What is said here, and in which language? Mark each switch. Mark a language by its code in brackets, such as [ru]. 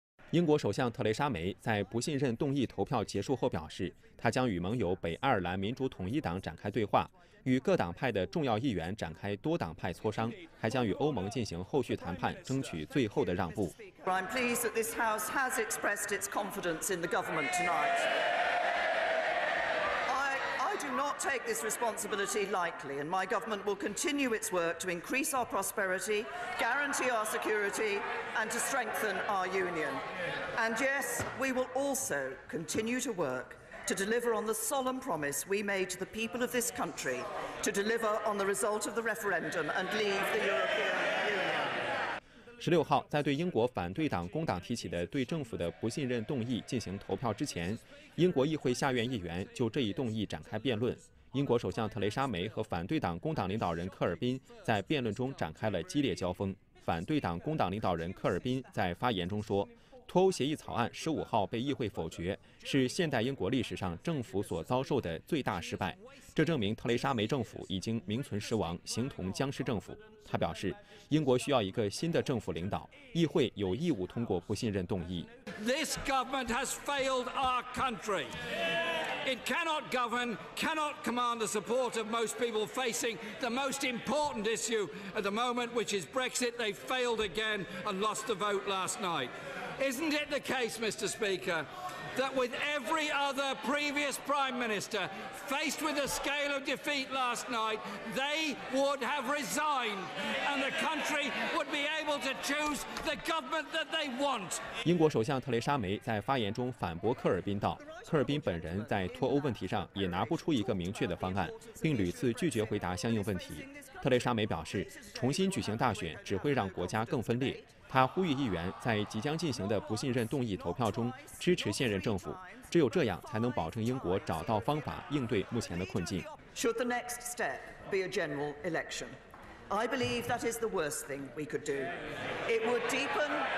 [zh] 英国首相特蕾莎梅在不信任动议投票结束后表示，她将与盟友北爱尔兰民主统一党展开对话，与各党派的重要议员展开多党派磋商，还将与欧盟进行后续谈判，争取最后的让步。 [en] I'm pleased that this House has expressed its confidence in the government tonight. I do not take this responsibility lightly, and my government will continue its work to increase our prosperity, guarantee our security, and to strengthen our union. And yes, we will also continue to work. To deliver on the solemn promise we made to the people of this country, to deliver on the result of the referendum and leave the European Union. [zh] 16号，在对英国反对党工党提起的对政府的不信任动议进行投票之前，英国议会下院议员就这一动议展开辩论。英国首相特蕾莎梅和反对党工党领导人科尔宾在辩论中展开了激烈交锋。反对党工党领导人科尔宾在发言中说。脱欧协议草案15号被议会否决，是现代英国历史上政府所遭受的最大失败。这证明特蕾莎梅政府已经名存实亡，形同僵尸政府。他表示，英国需要一个新的政府领导，议会有义务通过不信任动议。 [en] This government has failed our country. It cannot govern, cannot command the support of most people facing the most important issue at the moment, which is Brexit. They failed again and lost the vote last night. Isn't it the case, Mr. Speaker, that with every other previous Prime Minister faced with the scale of defeat last night, they would have resigned, and the country would be able to choose the government that they want? [zh] 英国首相特蕾莎梅在发言中反驳科尔宾道，科尔宾本人在脱欧问题上也拿不出一个明确的方案，并屡次拒绝回答相应问题。特蕾莎梅表示，重新举行大选只会让国家更分裂。他呼吁议员在即将进行的不信任动议投票中支持现任政府，只有这样才能保证英国找到方法应对目前的困境。 [en] Should the next step be a general election? I believe that is the worst thing we could do. It would deepen.